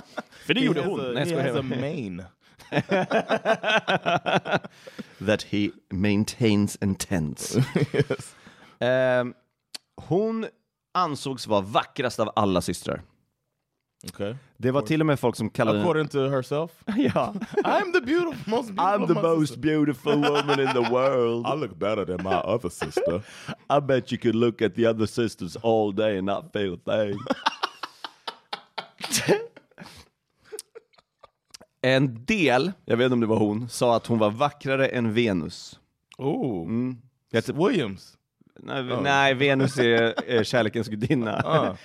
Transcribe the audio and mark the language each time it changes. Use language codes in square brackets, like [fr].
[sv] För det gjorde hon. [en] He has a mane. That he maintains and tends. Yes. [sv] Hon ansågs vara vackrast av alla systrar. [en] Okay. [sv] Det var till och med folk som kallade [en] according to herself. [sv] Ja. [en] I'm the beautiful, most beautiful. I'm the most beautiful woman in the world. I look better than my other sister. I bet you could look at the other sisters all day and not feel a thing. [sv] En del, jag vet inte om det var hon, sa att hon var vackrare än Venus. [en] Oh. Mm. [sv] Heter Williams. Nej, Venus är kärlekens gudinna.